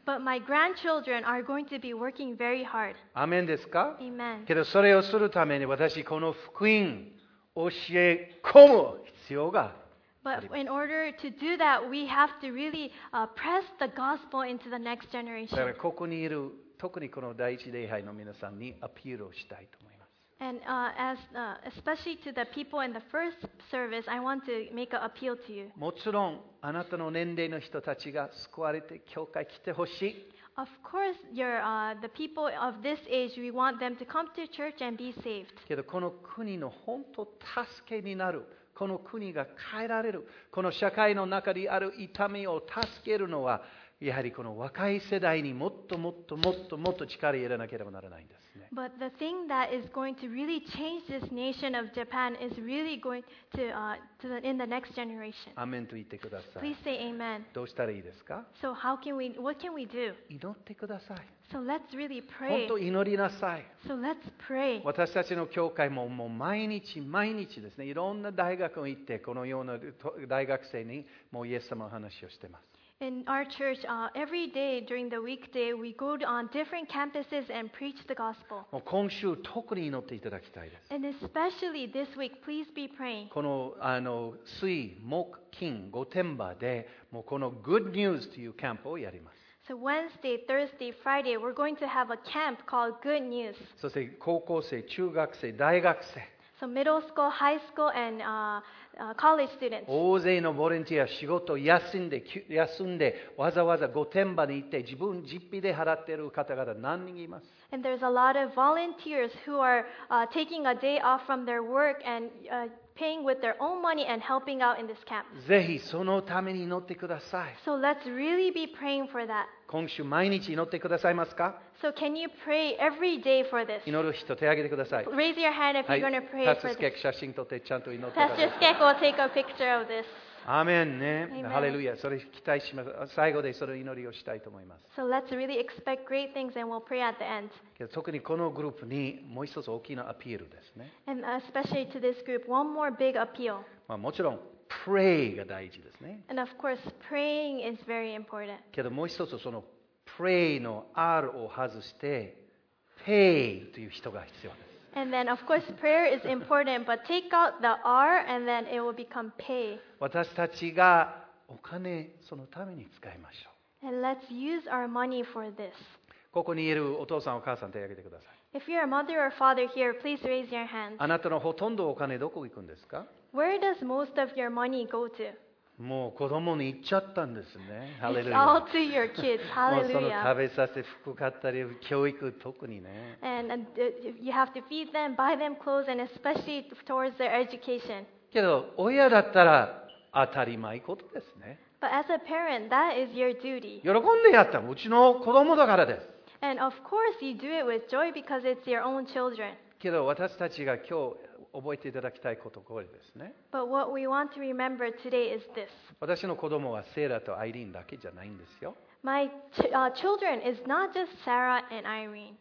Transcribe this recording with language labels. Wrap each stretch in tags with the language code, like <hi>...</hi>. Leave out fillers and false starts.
<en>But my grandchildren are going to be working very hard.</en> <ja>アメンですか？</ja> <en>Amen.</en> <ja>けどそれをするために私この福音を教え込む必要があります。</ja> <en>But in order to do that, we have to really press the gospel into the next generation.</en> <ja>だからここにいる、特にこの第一礼拝の皆さんにアピールをしたいと。</ja> <en>And as especially to the people in the first service, I want to make an appeal to you.</en> <ja>もちろんあなたの年齢の人たちが救われて教会来てほしい。</ja> <en>Of course, the people of this age, we want them to come to church and be saved.</en> <ja>けどこの国の本当助けになる、この国が変えられる、この社会の中にある痛みを助けるのは、やはりこの若い世代にもっともっともっともっと力を入れなければならないんですね。</ja> <en>But the thing that is going to really change this nation of Japan is really going to, in the next generation.</en> <ja>アメンと言ってください。</ja> <en>Please say amen.</en> <ja>どうしたらいいですか？</ja> <en>So how can we, what can we do?</en> <ja>祈ってください。</ja> <en>So let's really pray.</en> <ja>本当祈りなさい。</ja> <en>So let's pray.</en> <ja>私たちの教会ももう毎日毎日ですね、いろんな大学に行って、このような大学生にもうイエス様の話をしています。</ja> <en>In our church, every day during the weekday, we go on different campuses and preach the gospel.</en> <ja>もう今週特に祈っていただきたいです。</ja> <en>And especially this week, please be praying.</en> <ja>この水木金御殿場でもうこの Good News というキャンプをやります。</ja> <en>So Wednesday, Thursday, Friday, we're going to have a camp called Good News.</en> <ja>そして高校生、中学生、大学生。</ja> <en>So middle school, high school, and college students.</en> <ja>大勢のボランティア仕事休んでわざわざ御殿場に行って自分実費で払っている方々何人います。</ja> <en>And there's a lot of volunteers who are taking a day off from their work and paying with their own money and helping out in this camp.</en> <ja>ぜひそのために祈ってください。</ja> <en>So let's really be praying for that.</en> <ja>今週毎日祈ってくださいますか？</ja> <en>So can you pray every day for this?</en> <ja>祈る人手挙げてください。</ja> <en>Raise your hand if you're going to pray for this.</en> <ja>Pastor Skek 写真撮ってちゃんと祈ってください。</ja> <en>Pastor Skek will take a picture of this.</en> <ja>アーメンね。ハレルヤ。それ期待します。最後でその祈りをしたいと思います。</ja> <en>So let's really expect great things and we'll pray at the end.</en> <ja>特にこのグループにもう一つ大きなアピールですね。</ja> <en>And especially to this group, one more big appeal.</en> <ja>まあもちろんpray が大事ですね。</ja> <en>And of course, praying is very important.</en> <ja>けどもう一つその pray の R を外して pay という人が必要です。</ja> <en>And then, of course, prayer is important, but take out the R and then it will become pay.</en> <ja>私たちがお金そのために使いましょう。</ja> <en>And let's use our money for this.</en> <ja>ここにいるお父さん、お母さん、手を挙げてください。</ja> <en>If you're a mother or father here, please raise your hand.</en> <ja>あなたのほとんどお金どこ行くんですか？</ja> <en>Where does most of your money go to?</en> <ja>もう子供に行っちゃったんですね。</ja> <en>It's all to your kids. Hallelujah.</en> <ja>もうその食べさせ、服買ったり、教育特にね。</ja> <en>And you have to feed them, buy them clothes, and especially towards their education.</en> <ja>けど親だったら当たり前ことですね。</ja> <en>But as a parent, that is your duty.</en> <ja>喜んでやった。うちの子供だからです。</ja> <en>And of course, you do it with joy because it's your own children.</en> <ja>けど私たちが今日覚えていただきたいことこれですね。</ja> <en>But what we want to remember today is this.</en> <ja>私の子供はセーラとアイリーンだけじゃないんですよ。</ja> <en>My children is not just Sarah and Irene.</en>